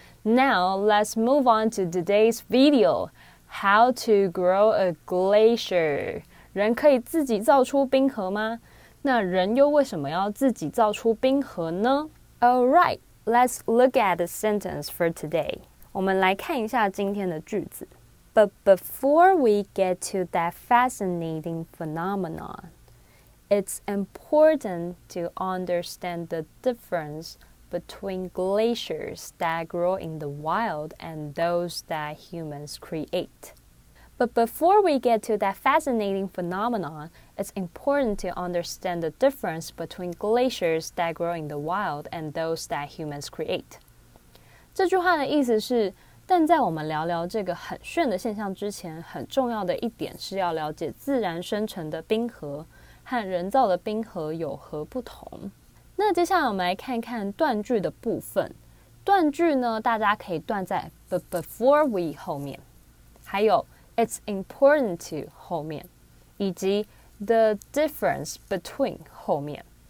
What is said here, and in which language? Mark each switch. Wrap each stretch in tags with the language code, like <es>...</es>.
<en>Now let's move on to today's video: How to grow a glacier?</en> <zh>人可以自己造出冰河吗？那人又为什么要自己造出冰河呢</zh> <en>？All right. Let's look at the sentence for today.</en> <zh>我们来看一下今天的句子。</zh> <en>But before we get to that fascinating phenomenon, it's important to understand the difference between glaciers that grow in the wild and those that humans create. But before we get to that fascinating phenomenon, it's important to understand the difference between glaciers that grow in the wild and those that humans create.</en> <zh>这句话的意思是，但在我们聊聊这个很炫的现象之前，很重要的一点是要了解自然生成的冰河和人造的冰河有何不同。那接下来我们来看看断句的部分。断句呢，大家可以断在</zh> <en>but before we</en> <zh>后面，还有</zh> <en>It's important to</en> <zh>后面，以及</zh> <en>the difference between</en> <zh>后面，</zh>